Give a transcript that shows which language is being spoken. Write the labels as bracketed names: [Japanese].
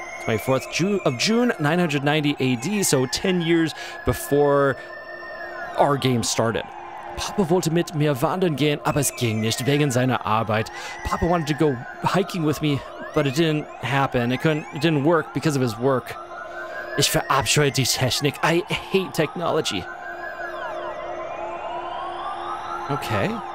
[English] 24th of June 990 AD, so 10 years before our game started. [German] Papa wollte mit mir wandern gehen, aber es ging nicht wegen seiner Arbeit. [English] Papa wanted to go hiking with me, but it didn't happen. It didn't work because of his work. [German] Ich verabscheue die Technik. [English] I hate technology. Okay.